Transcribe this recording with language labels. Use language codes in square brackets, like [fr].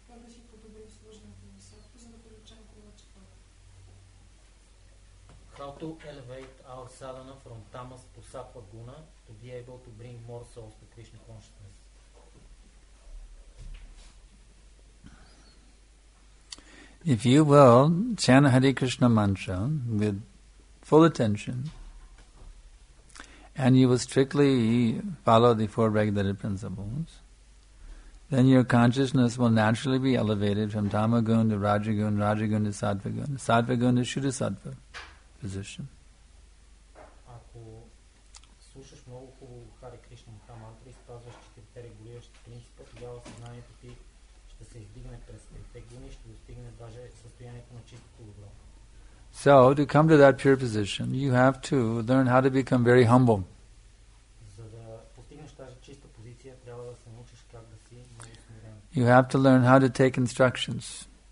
[bg] Как да си подобрим служението на Сатху, за да получим повече пари? [en] How to elevate our sadhana from tamas to sattva guna to be able to bring more souls to Krishna consciousness. If you will chant Hare Krishna mantra with full attention and you will strictly follow the four regulated principles, then your consciousness will naturally be elevated from tamagun to rajagun, rajagun to sattvagun, sattvagun to shuddhasattva position. [bg] Ако слушаш много хубаво Хари Кришна Маха мантра и спазваш четирите регулиращи принципа, тогава съзнанието ти ще се издигне през трите гуни и ще достигне даже състоянието на чистото добро. [en] So, to come to that pure position, you have to learn how to become very humble. [bg] За да постигнеш тази чиста позиция, трябва да се научиш как да си много смирен. [en] You have to learn how to take instructions.